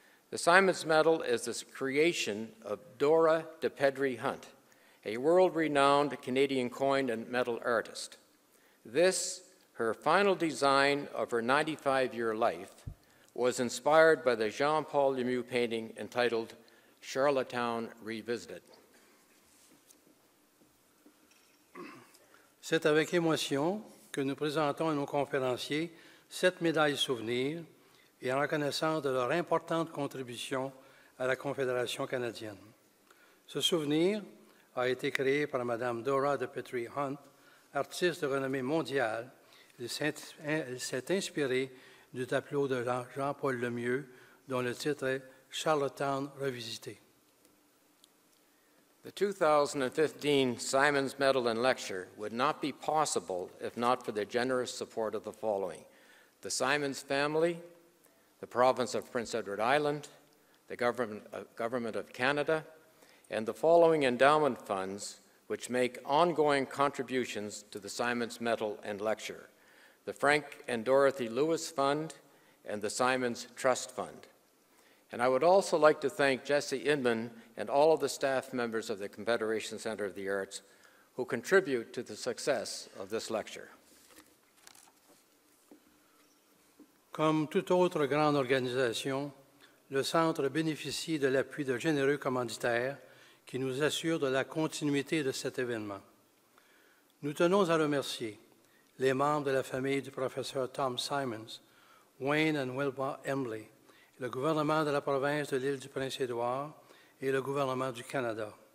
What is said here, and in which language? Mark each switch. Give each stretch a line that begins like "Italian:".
English: The Symons Medal is the creation of Dora DePedry Hunt, a world-renowned Canadian coin and metal artist. This, her final design of her 95-year life, was inspired by the Jean-Paul Lemieux painting entitled Charlottetown Revisited.
French: C'est avec émotion que nous présentons à nos conférenciers cette médaille souvenir et en reconnaissance de leur importante contribution à la Confédération canadienne. Ce souvenir a été créé par Mme Dora DePedry Hunt, artiste de renommée mondiale. Elle s'est inspirée du tableau de Jean-Paul Lemieux, dont le titre est Charlottetown Revisité.
English: The 2015 Symons Medal and Lecture would not be possible if not for the generous support of the following: the Symons family, the province of Prince Edward Island, the government of Canada, and the following endowment funds, which make ongoing contributions to the Symons Medal and Lecture: the Frank and Dorothy Lewis Fund and the Symons Trust Fund. And I would also like to thank Jesse Inman and all of the staff members of the Confederation Center of the Arts who contribute to the success of this lecture.
French: Comme toute autre grande organisation, le Centre bénéficie de l'appui de généreux commanditaires qui nous assurent de la continuité de cet événement. Nous tenons à remercier les membres de la famille du professeur Tom Symons, Wayne and Wilma Embley, le gouvernement de la province de l'Île-du-Prince-Édouard et le gouvernement du Canada.